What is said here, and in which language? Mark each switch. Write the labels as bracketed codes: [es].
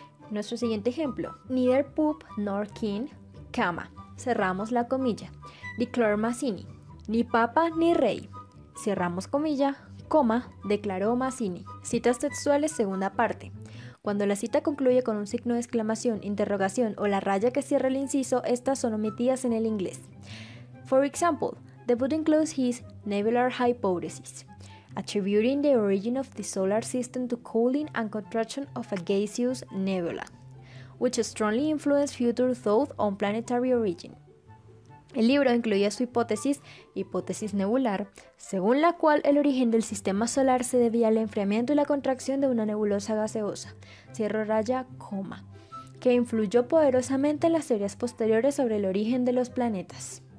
[es] Nuestro siguiente ejemplo, [en] neither poop nor king, [es] comma, cerramos la comilla, declaró Mazzini, ni papa ni rey, cerramos comilla, coma, declaró Mazzini. Citas textuales, segunda parte. Cuando la cita concluye con un signo de exclamación, interrogación o la raya que cierra el inciso, estas son omitidas en el inglés. [en] For example, the book includes his nebular hypothesis, attributing the origin of the solar system to cooling and contraction of a gaseous nebula, which strongly influenced future thought on planetary origin. [es] El libro incluía su hipótesis, hipótesis nebular, según la cual el origen del sistema solar se debía al enfriamiento y la contracción de una nebulosa gaseosa, cierro raya, coma, que influyó poderosamente en las teorías posteriores sobre el origen de los planetas.